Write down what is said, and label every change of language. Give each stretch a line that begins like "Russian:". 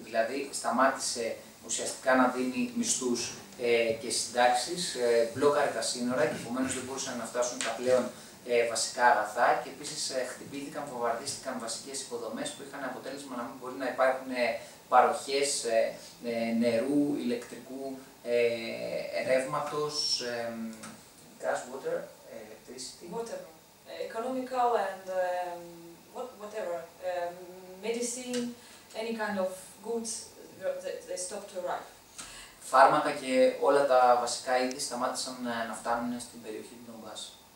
Greek: Δηλαδή, σταμάτησε ουσιαστικά να δίνει μισθούς και συντάξεις, μπλόκαρε τα σύνορα και επομένως δεν μπορούσαν να φτάσουν τα πλέον βασικά αγαθά και επίσης χτυπήθηκαν, βομβαρδίστηκαν βασικές υποδομές που είχαν αποτέλεσμα να μην μπορεί να υπάρχουν παροχές νερού, ηλεκτρικού ρεύματος,
English: gas, water, electricity. Water, economical and whatever, medicine, any kind of goods, they stopped to arrive.
Greek: Φάρμακα και όλα τα βασικά είδη σταμάτησαν να φτάνουν στην περιοχή του Ντονμπάς.